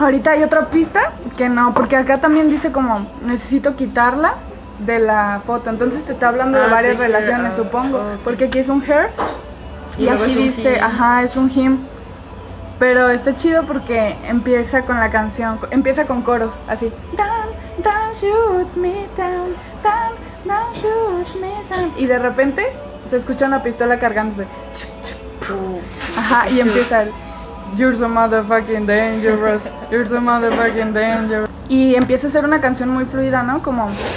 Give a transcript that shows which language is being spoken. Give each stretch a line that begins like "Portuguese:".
Spanish: Ahorita hay otra pista que no, porque acá también dice como, necesito quitarla de la foto. Entonces te está hablando de varias relaciones, supongo. Okay. Porque aquí es un her. Y aquí dice, ajá, es un him. Pero está chido porque empieza con la canción, empieza con coros, así.
English: Don't shoot me down, don't shoot me down.
Spanish: Y de repente se escucha una pistola cargándose. Ajá, y empieza el,
English: you're so motherfucking dangerous,
Spanish: you're so motherfucking dangerous. Y empieza a ser una canción muy fluida, ¿no? Como